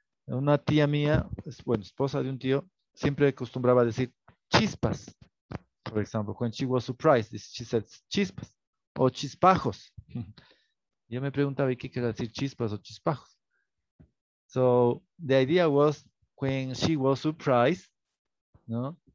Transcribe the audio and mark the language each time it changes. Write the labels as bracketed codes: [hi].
[es] Una tía mía, bueno, esposa de un tío, siempre acostumbraba a decir chispas, [en] for example. When she was surprised, she said chispas o chispajos. [es] Yo me preguntaba, ¿qué quiere decir chispas o chispajos? [en] So the idea was, when she was surprised, no?